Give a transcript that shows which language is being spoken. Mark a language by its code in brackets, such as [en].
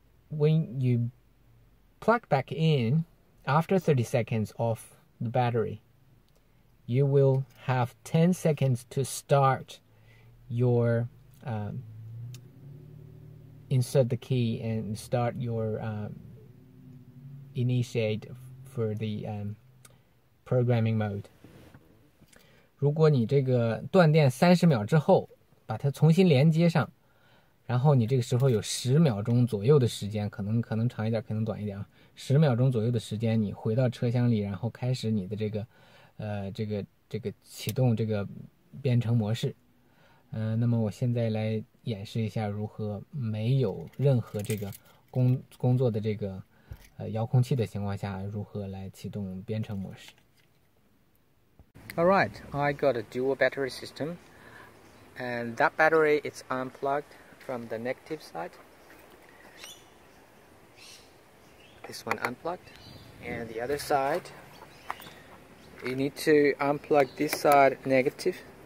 [en] When you plug back in after 30 seconds of the battery, you will have 10 seconds to start your insert the key and start your initiate for the programming mode. [zh] 如果你这个断电30秒之后把它重新连接上，然后你这个时候有10秒钟左右的时间，可能长一点可能短一点，10秒钟左右的时间你回到车厢里，然后开始你的这个这个启动这个编程模式。那么我现在来演示一下如何没有任何这个工作的这个遥控器的情况下如何来启动编程模式。 [en] All right, I got a dual battery system, and that battery is unplugged from the negative side. This one unplugged, and the other side. You need to unplug this side negative.